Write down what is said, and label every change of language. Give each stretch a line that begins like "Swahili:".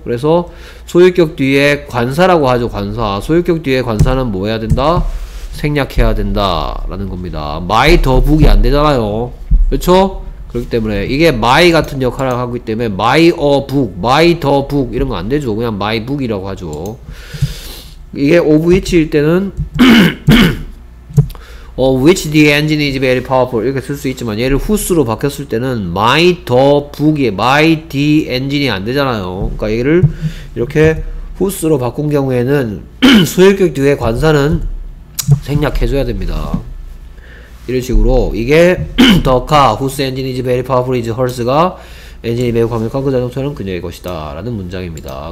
Korean: 그래서 소유격 뒤에 관사라고 하죠. 관사. 소유격 뒤에 관사는 뭐 해야 된다? 생략해야 된다 라는 겁니다. my the book이 안 되잖아요. 그렇죠? 그렇기 때문에 이게 my 같은 역할을 하기 때문에
English: my a book, my the book
Korean: 이런 거 안 되죠. 그냥 my book이라고 하죠.
English: 이게 of which일 때는 of which the engine is very powerful
Korean: 이렇게 쓸 수 있지만
English: 얘를 whose로 바뀌었을 때는 my the book이 my the engine이
Korean: 안 되잖아요. 그러니까 얘를 이렇게 whose로 바꾼 경우에는 소유격 뒤에 관사는 생략해줘야 됩니다. 이런 식으로 이게
English: the car whose engine is very powerful is hers
Korean: 가 엔진이 매우 강력한 그 자동차는 그녀의 것이다 라는 문장입니다.